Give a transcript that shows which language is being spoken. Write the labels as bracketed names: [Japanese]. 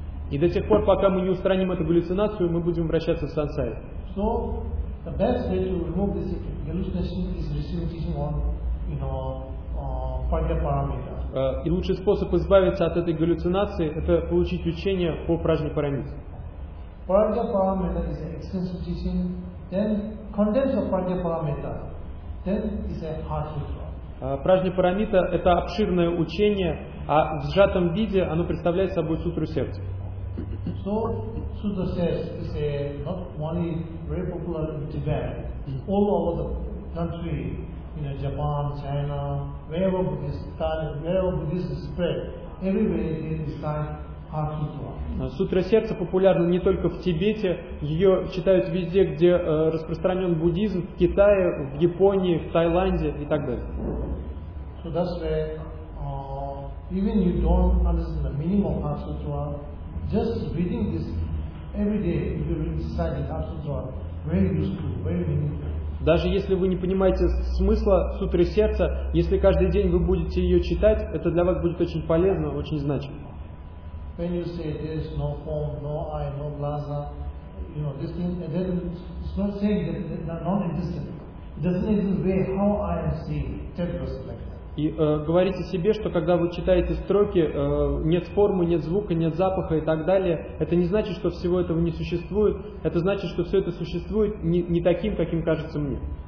[Russian] И до тех пор, пока мы не устраним эту галлюцинацию, мы будем вращаться в сансаре. [English] The best way to remove this hallucination is receiving teaching on, you know, Prajnaparamita. [Russian] И лучший способ избавиться от этой галлюцинации – это получить учение по Прайнапарамите. [English] Prajnaparamita is an extensive teaching. Then contents of Prajnaparamita, then is a hard sutra. [Russian] Прайнапарамита – это обширное учение, а в сжатом виде оно представляет собой сутру сердца. [English] So Sutra says is a not only very popular in Tibet, all over the country, you know, Japan, China, wherever Buddhism spread, everywhere they recite Heart Sutra. [Russian] Сутра сердца популярна не только в Тибете, ее читают везде, где распространен буддизм, в Китае, в Японии, в Таиланде и так далее. [English] So that's why even you don't understand the meaning of Heart Sutra. Just reading this every day, if you recite the Heart Sutra, very useful, very meaningful. [Russian] Даже если вы не понимаете смысла сутры сердца, если каждый день вы будете ее читать, это для вас будет очень полезно, очень значимо. [English] When you say there's no form, no eye, no [Russian] glaza, [English] you know this thing, and then it's not saying that they're non-existent. It doesn't exist the way how I am seeing, tell us like. [Russian] И говорите себе, что когда вы читаете строки, нет формы, нет звука, нет запаха и так далее, это не значит, что всего этого не существует, это значит, что все это существует не таким, каким кажется мне.